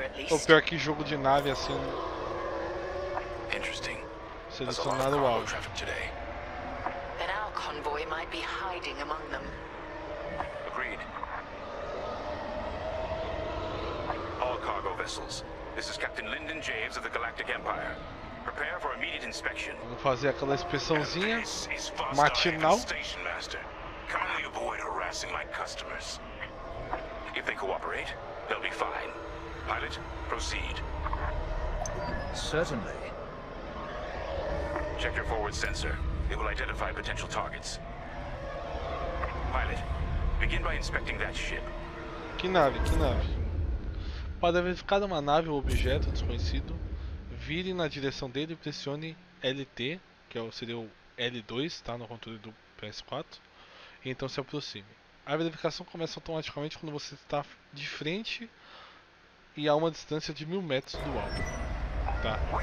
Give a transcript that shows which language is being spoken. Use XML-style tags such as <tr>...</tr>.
<pt>O pior que jogo de nave assim.</pt> <en>Interesting.</en> <pt>Selecionado o alvo.</pt> <en>Then our convoy might be hiding among them. Agreed. All cargo vessels. This is Captain Lyndon James of the Galactic Empire. Prepare for immediate inspection.</en> <pt>Vamos fazer aquela inspeçãozinha matinal.</pt> <en>Come, you avoid harassing my customers. If they cooperate, They'll be fine. Pilot, proceed. Certainly. Check your forward sensor. It will identify potential targets. Pilot, begin by inspecting that ship.</en> <pt>Que nave, que nave? Para verificar uma nave ou objeto desconhecido, vire na direção dele e pressione LT, que seria o L2, tá, no controle do PS4, e então se aproxime. A verificação começa automaticamente quando você está de frente e a uma distância de 1000 metros do alvo. Tá.</pt>